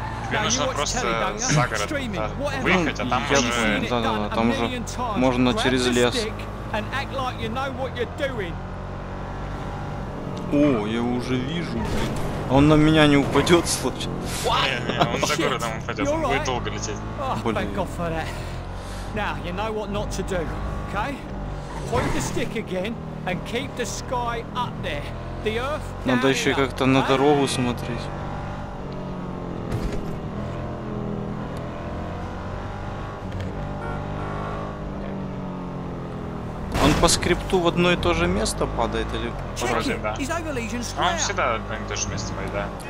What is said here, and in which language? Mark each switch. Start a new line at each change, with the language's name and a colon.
Russian: Тебе нужно просто за город, да, выехать, а там уже... Да, там уже можно через лес.
English: And act like you know what you're
Russian: doing. О, я его уже вижу. Он на меня не упадет, случайно? Он за городом упадет, он будет долго лететь.
English: Oh, thank God for that. Now you know what not to do, okay? Point the stick again and keep the sky up there. The earth.
Russian: Надо еще как-то на дорогу смотреть. По скрипту в одно и то же место падает или вроде да. А он всегда в одно и то же место падает, да.